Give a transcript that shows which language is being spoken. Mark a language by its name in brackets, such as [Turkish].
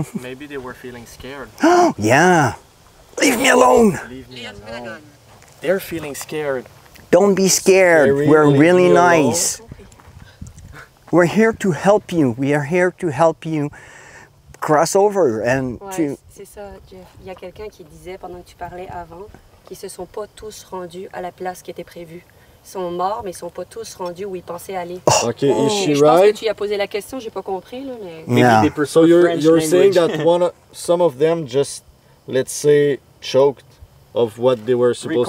[English] Maybe they were feeling scared. Yeah. Leave me alone. They're feeling scared. Don't be scared. We're really nice. We're here to help you. We are here to help you cross over and to. [French] C'est ça, Jeff. Il y a quelqu'un qui disait pendant que tu parlais avant. Ils se sont pas tous rendus à la place qui était prévue. Ils sont morts, mais ils sont pas tous rendus où ils pensaient aller. [English] Oh. Okay, is she right? [French] Je pense que tu y as posé la question, j'ai pas compris là, mais. [English] Yeah. Maybe they prefer so you're saying that some of them just, let's say, choked of what they were supposed